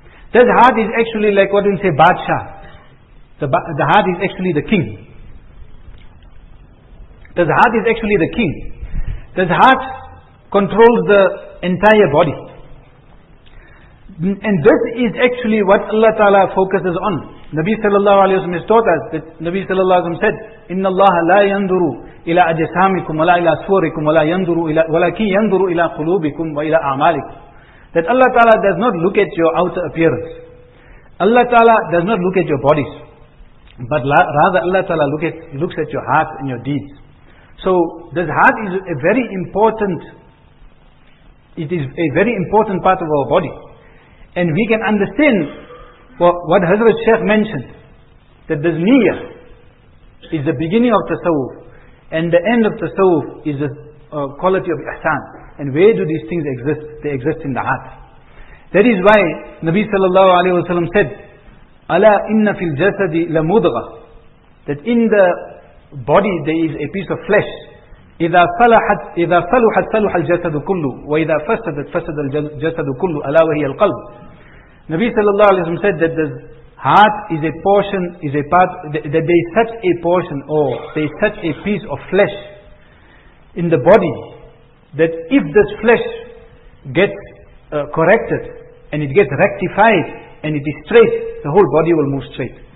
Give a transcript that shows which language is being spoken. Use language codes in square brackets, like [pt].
[en] That heart is actually like what we say, Badshah. The heart is actually the king. That heart is actually the king. That heart controls the entire body. And this is actually what Allah Ta'ala focuses on. Nabi Sallallahu Alaihi Wasallam has taught us that Nabi Sallallahu Alaihi Wasallam said, [ar] إِنَّ اللَّهَ لَا يَنْدُرُ إِلَىٰ أَجِسَامِكُمْ وَلَا إِلَىٰ سُوَرِكُمْ وَلَا يَنْدُرُ إِلَىٰ وَلَكِنْ يَنْدُرُ إِلَىٰ قُلُوبِكُمْ وَإِلَىٰ أَعْمَالِكُمْ. [en] That Allah Ta'ala does not look at your outer appearance. Allah Ta'ala does not look at your bodies. But rather Allah Ta'ala looks at your heart and your deeds. So this heart is a very important, it is a very important part of our body. And we can understand what Hazrat Shaykh mentioned, that this niyyah is the beginning of tasawwuf, and the end of tasawwuf is the quality of ihsan. And where do these things exist? They exist in the heart. That is why Nabi sallallahu alayhi wa sallam said, [ar] Ala inna fil jasadi la mudgha, [en] that in the body there is a piece of flesh. [ar] إذا صلحت صلح الجسد كله وإذا فسدت فسد الجسد كله ألا وهي القلب. [en] Nabi sallallahu alayhi wa sallam said that the heart is a portion, is a part, that there is such a portion or there is such a piece of flesh in the body that if this flesh gets corrected and it gets rectified and it is straight, the whole body will move straight.